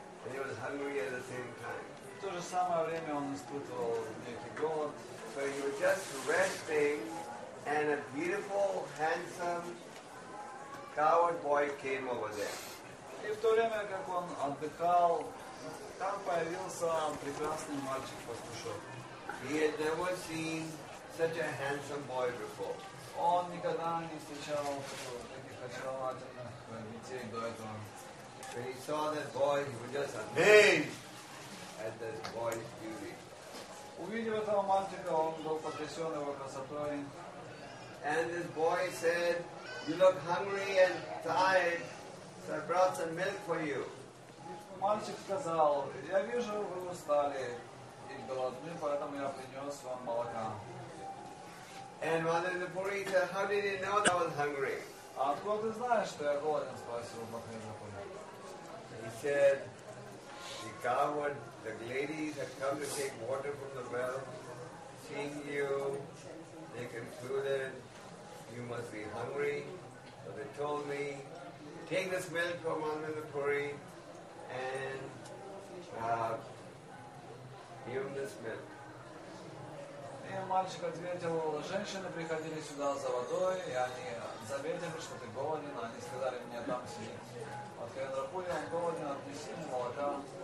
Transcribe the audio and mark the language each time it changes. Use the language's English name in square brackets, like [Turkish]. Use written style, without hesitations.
[English] And he was hungry at the same time. [Russian] В то же самое время он испытывал некий голод. [English] So he was just resting, and a beautiful, handsome, coward boy came over there. [Russian] И в то время, как он отдыхал, там появился прекрасный мальчик-пастушок. [English] He had never seen such a handsome boy before. [Russian] Он никогда не встречал таких очаровательных детей до этого. [English] When he saw that boy, he was just amazed at this boy's beauty. [Russian] Увидев этого мальчика, он был потрясен его красотой. [English] And this boy said, "You look hungry and tired, so I brought some milk for you." [Russian] Мальчик сказал, "Я вижу, вы устали и голодны, поэтому я принес вам молока." [English] And Madhava Puri said, "How did you know that I was hungry?" [Russian] Откуда ты знаешь, что я голоден? Спросил Махарадхи Пури. [English] He said, "The coward, the ladies have come to take water from the well. Seeing you, they concluded you must be hungry. So they told me, take this milk from under the puri and give him this milk." [Russian] И мальчик ответил, женщины приходили сюда за водой, и они заметили, что ты голоден, они сказали мне, там сидит. От Кавендра Пури он голоден, отнеси ему молока.